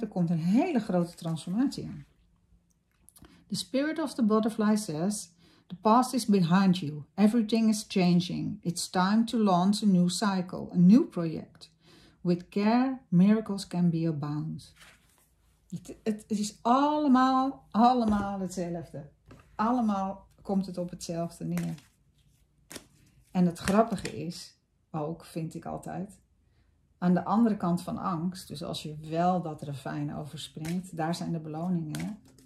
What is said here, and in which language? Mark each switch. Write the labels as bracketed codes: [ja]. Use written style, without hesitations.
[nl] Er komt een hele grote transformatie aan. [en] The spirit of the butterfly says, the past is behind you. Everything is changing. It's time to launch a new cycle, a new project. With care, miracles can be abound. [nl] Het is allemaal hetzelfde. Allemaal komt het op hetzelfde neer. En het grappige is, ook vind ik altijd, aan de andere kant van angst, dus als je wel dat ravijn overspringt, daar zijn de beloningen.